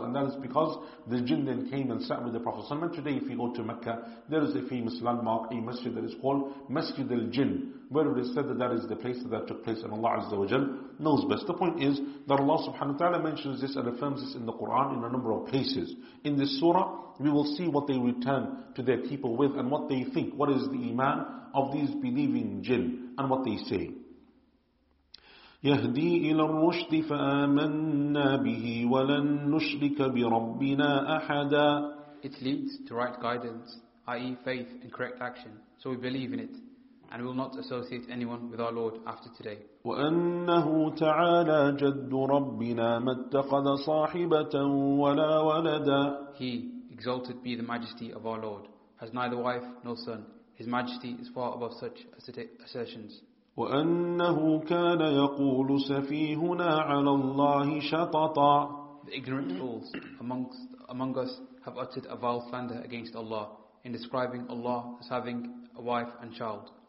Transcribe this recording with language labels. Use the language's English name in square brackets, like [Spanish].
[English] And that is because the jinn then came and sat with the Prophet. And today, if you go to Mecca, there is a famous landmark, a masjid that is called Masjid al-Jinn, where it is said that that is the place that took place, and Allah [Arabic] Azza wa Jal [English] knows best. The point is that Allah [Arabic] subhanahu wa ta'ala [English] mentions this and affirms this in the Quran in a number of places. In this surah, we will see what they return to their people with and what they think. What is the iman of these believing jinn and what they say? [Arabic] يهدي إلى الرشد فآمنا به ولن نشرك بربنا أحدا. [English] It leads to right guidance, i.e. faith and correct action. So we believe in it, and we will not associate anyone with our Lord after today. [Arabic] وأنه تعالى جد ربنا ما اتخذ صاحبة ولا ولدا. [English] He, exalted be the majesty of our Lord, has neither wife nor son. His majesty is far above such assertions. [Arabic] وَأَنَّهُ كَانَ يَقُولُ سَفِيهُنَا عَلَى اللَّهِ شَطَطًا. [English] The ignorant fools among us have uttered a vile slander against Allah in describing Allah as having a wife and child.